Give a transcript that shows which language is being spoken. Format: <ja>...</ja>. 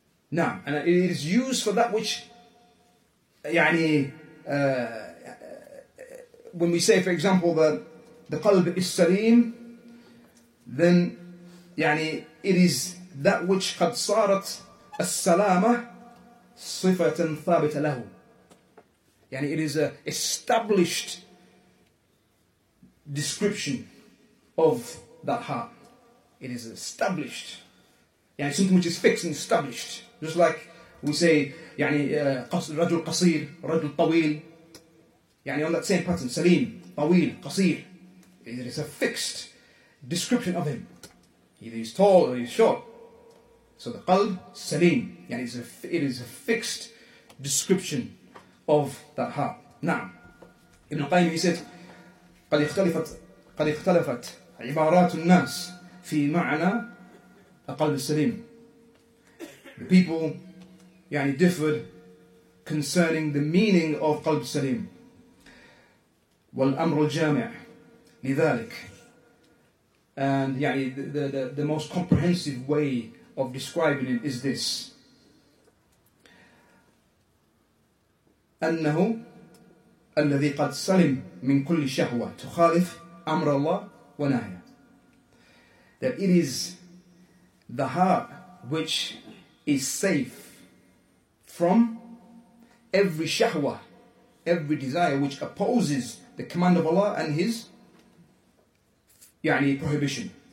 <en>Now, and it is used for that which, when we say, for example, that the qalb is salim, then, it is that which</en> <ar>qad sarat as-salama sifatan thabita lahu.</ar> <en>It is a established description of that heart. It is established. It's something which is fixed and established. Just like we say,</en> <ar>رجل قصير, رجل طويل.</ar> <en>On that same pattern,</en> <ar>سليم, طويل, قصير.</ar> <en>It is a fixed description of him. Either he's tall or he's short. So the قلب, سليم. It is a fixed description of that heart. Now, Ibn Qayyim, he said,</en> <ar>قد اختلفت عبارات الناس في معنى القلب السليم.</ar> <en>The people differed concerning the meaning of</en> <ar>قلب السليم. والأمر الجامع لذلك.</ar> <en>And the most comprehensive way of describing it is this.</en> <ar>أنه الذي قد سلم من كل شهوة تخالف أمر الله ونهيه.</ar> <en>That it is the heart which is safe from every shahwa, every desire which opposes the command of Allah and His prohibition.</en>